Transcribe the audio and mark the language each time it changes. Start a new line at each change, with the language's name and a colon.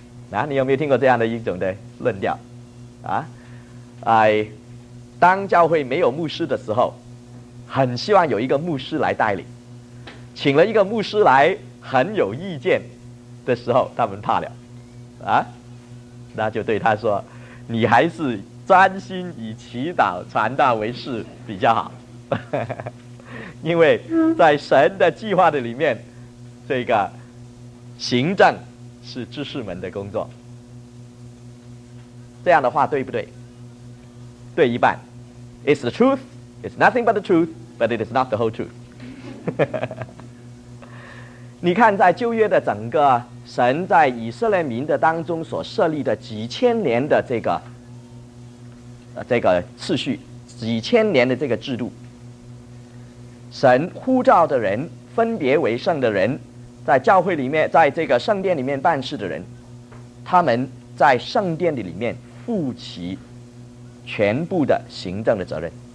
Chinese: 那你有没有听过这样的一种的论调当教会没有牧师的时候，很希望有一个牧师来带领，请了一个牧师来很有意见的时候，他们怕了那就对他说，你还是专心以祈祷传道为事比较好。因为在神的计划的里面，这个行政是知识们的工作。这样的话对不对？对一半。
English: It's the truth, it's nothing but the truth, but it is not the whole truth.
Chinese: 你看在旧约的整个神在以色列民的当中所设立的几千年的这个次序，几千年的这个制度，神呼召的人，分别为圣的人，在教会里面，在这个圣殿里面办事的人，他们在圣殿里面负起全部的行政的责任。